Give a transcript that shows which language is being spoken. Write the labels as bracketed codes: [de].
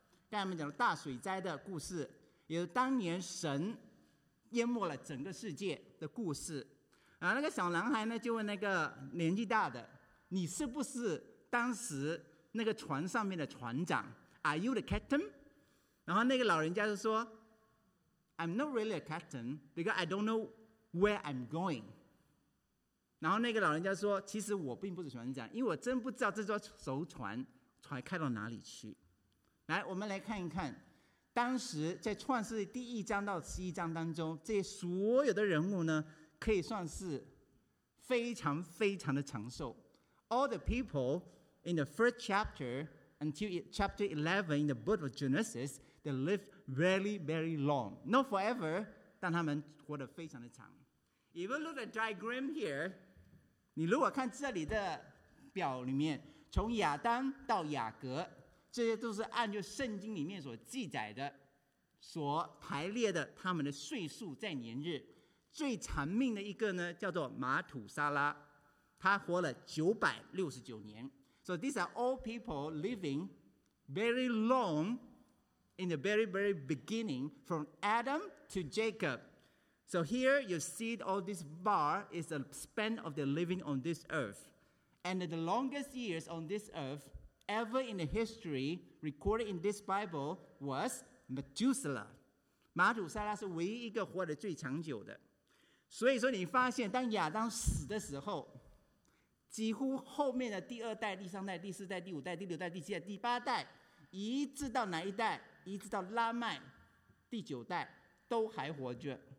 [zh] 刚才我们讲了大水灾的故事，也是当年神淹没了整个世界的故事。然后那个小男孩呢，就问那个年纪大的，你是不是当时那个船上面的船长？ [en] Are you the captain? [zh] 然后那个老人家就说， [en] I'm not really a captain because I don't know where I'm going. [zh] 然后那个老人家说，其实我并不是船长，因为我真不知道这艘船开到哪里去。来，我们来看一看，当时在创世第一章到十一章当中，这些所有的人物呢，可以算是非常非常的长寿。 [en] All the people in the first chapter until chapter 11 in the book of Genesis, they live very, very long. Not forever, [zh] 但他们活得非常的长。 [en] Even look at the diagram here, [zh] 你如果看这里的表里面，从亚当到雅各，这些都是按照圣经里面所记载的，所排列的他们的岁数在年日。最长命的一个呢，叫做马土沙拉，他活了969年。 [en] So these are all people living very long in the very very beginning from Adam to Jacob. So here you see all this bar is the span of the living on this earth. And the longest years on this earth ever in the history recorded in this Bible was Methuselah. [zh] 马土撒拉是唯一一个活得最长久的。所以说你发现当亚当死的时候，几乎后面的第二代、第三代、第四代、第五代、第六代、第七代、第八代，一直到哪一代？一直到拉麦第九代都还活着。